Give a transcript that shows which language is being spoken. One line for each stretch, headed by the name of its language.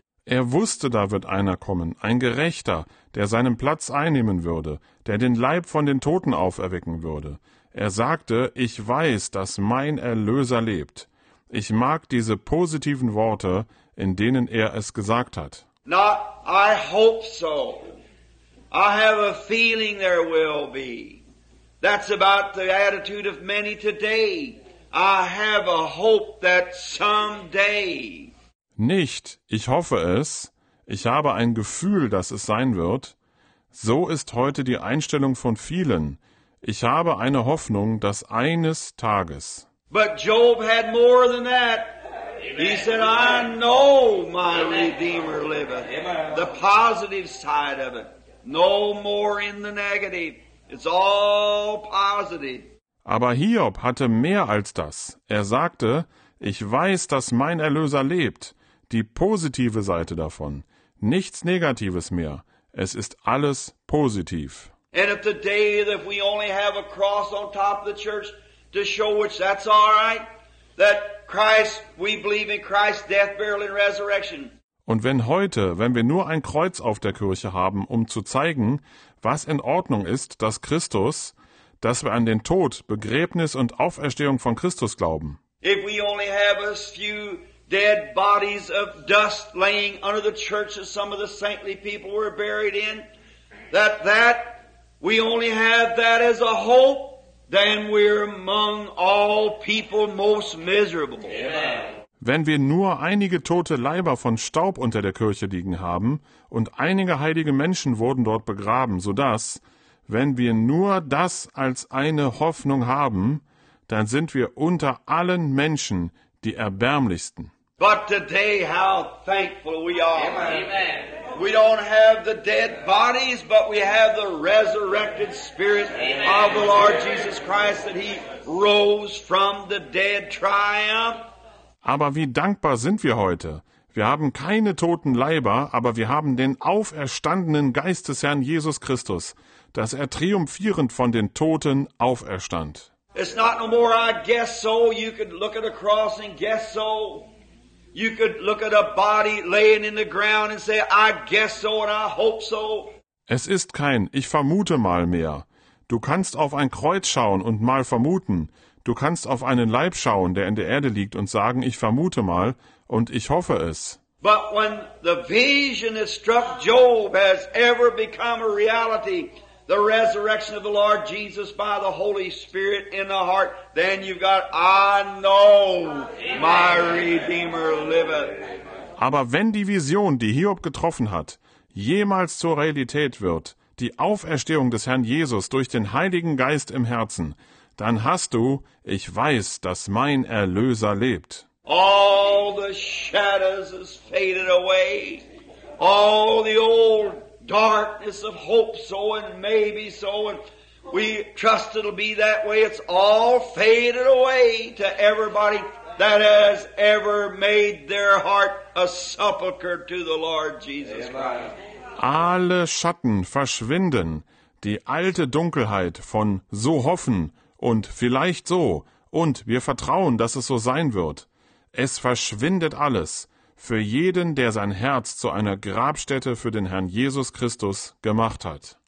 German: Er wusste, da wird einer kommen, ein Gerechter, der seinen Platz einnehmen würde, der den Leib von den Toten auferwecken würde. Er sagte, ich weiß, dass mein Erlöser lebt. Ich mag diese positiven Worte, in denen er es gesagt hat.
English: Not, I hope so. I have a feeling there will be. That's about the attitude of many today. I have a hope that someday.
German: Nicht, ich hoffe es, ich habe ein Gefühl, dass es sein wird. So ist heute die Einstellung von vielen. Ich habe eine Hoffnung, dass eines Tages.
English: But Job had more than that. Amen. He said, I know my Redeemer liveth. Amen. The positive side of it. No more in the negative. It's all positive.
German: Aber Hiob hatte mehr als das. Er sagte, ich weiß, dass mein Erlöser lebt. Die positive Seite davon. Nichts Negatives mehr. Es ist alles positiv.
English: And if the day that we only have a cross on top of the church, to show which that's all right, that Christ, we believe in Christ's death, burial, and resurrection.
German: Und wenn heute, wenn wir nur ein Kreuz auf der Kirche haben, um zu zeigen, was in Ordnung ist, dass Christus, dass wir an den Tod, Begräbnis und Auferstehung von Christus glauben.
English: If we only have a few dead bodies of dust laying under the church that some of the saintly people were buried in, that we only have that as a hope, then we're among all people most miserable. Amen.
German: Wenn wir nur einige tote Leiber von Staub unter der Kirche liegen haben und einige heilige Menschen wurden dort begraben, so dass, wenn wir nur das als eine Hoffnung haben, dann sind wir unter allen Menschen die Erbärmlichsten.
English: But today, how thankful we are. Amen. We don't have the dead bodies, but we have the resurrected spirit. Amen. Of the Lord Jesus Christ, that he rose from the dead triumph.
German: Aber wie dankbar sind wir heute? Wir haben keine toten Leiber, aber wir haben den auferstandenen Geist des Herrn Jesus Christus, dass er triumphierend von den Toten auferstand.
English: It's not no more, I guess so. You could look at a cross and guess so. You could look at a body laying in the ground and say, I guess so and I hope so.
German: Es ist kein Ich vermute mal mehr. Du kannst auf ein Kreuz schauen und mal vermuten. Du kannst auf einen Leib schauen, der in der Erde liegt und sagen, ich vermute mal und ich hoffe es.
English: But when the vision that struck Job has ever become a reality, the resurrection of the Lord Jesus by the Holy Spirit in the heart, then you've got, I know my Redeemer liveth.
German: Aber wenn die Vision, die Hiob getroffen hat, jemals zur Realität wird, die Auferstehung des Herrn Jesus durch den Heiligen Geist im Herzen, dann hast du, ich weiß, dass mein Erlöser lebt.
English: All the shadows has faded away. All the old darkness of hope so and maybe so and we trust it'll be that way. It's all faded away to everybody that has ever made their heart a sepulcher to the Lord Jesus Christ.
German: Alle Schatten verschwinden, die alte Dunkelheit von so hoffen und vielleicht so und wir vertrauen, dass es so sein wird. Es verschwindet alles für jeden, der sein Herz zu einer Grabstätte für den Herrn Jesus Christus gemacht hat.